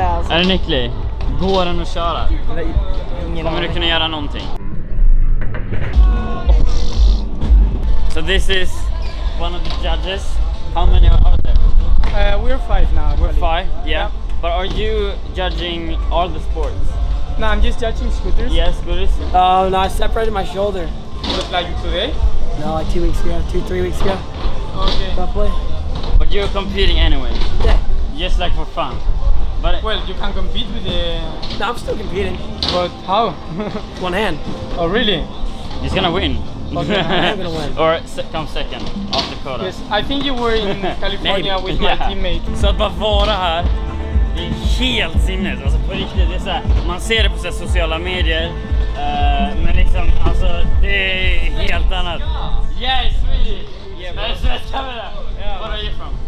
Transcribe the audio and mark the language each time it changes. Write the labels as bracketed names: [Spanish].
[Swedish] Är den äcklig? Går den att köra? Kommer du kunna göra någonting? [English] So this is one of the judges. How many are there? We're five now. We're probably. Five? Yeah. Yeah. But are you judging all the sports? No, I'm just judging scooters. Yes, yeah, scooters. Oh, no, I separated my shoulder. Did you fly today? No, like 2 weeks ago, two, 3 weeks ago. Okay. Roughly. But you're competing anyway? Yeah. Just like for fun. But well, you can compete with the... No, I'm still competing. But how? One hand. Oh, really? He's gonna win. Okay, I'm gonna win. Or come second, off the quota. Yes, I think you were in California with my teammate. [Swedish] Så att bara vara här, det är helt sinnet. Alltså på riktigt, det är så här, man ser det på så här, sociala medier. Men liksom, alltså, det är helt annat. [English] Yes, really! Yeah, bro. Where are you from?